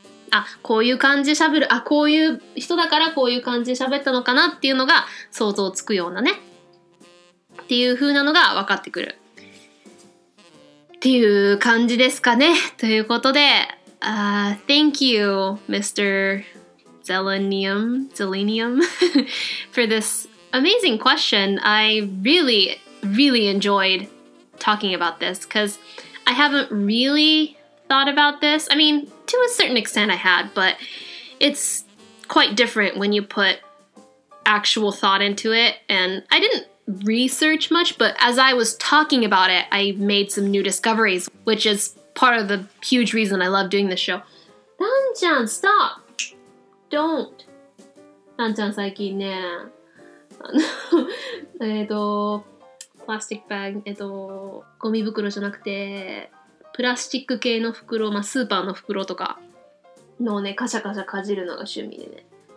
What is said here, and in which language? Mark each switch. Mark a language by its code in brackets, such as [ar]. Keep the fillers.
[ja] あこういう感じでべるあこういう人だからこういう感じで喋ったのかなっていうのが想像つくようなねっていう風なのが分かってくるっていう感じですかねということであ、 [en] uh, Thank you Mr. Zelenium, Zelenium, for this amazing question. I really, really enjoyed talking about this because I haven't really thought about this. I mean, to a certain extent, I had, but it's quite different when you put actual thought into it. And I didn't research much, but as I was talking about it, I made some new discoveries, which is part of the huge reason I love doing this show. Banjan, stop! [ja] d o n んちゃん最近ね、あの 、えっと、プラステックバッグ、えっ、ー、と、ゴミ袋じゃなくて、プラスチック系の袋、まあ、スーパーの袋とかのね、カシャカシャかじるのが趣味でね。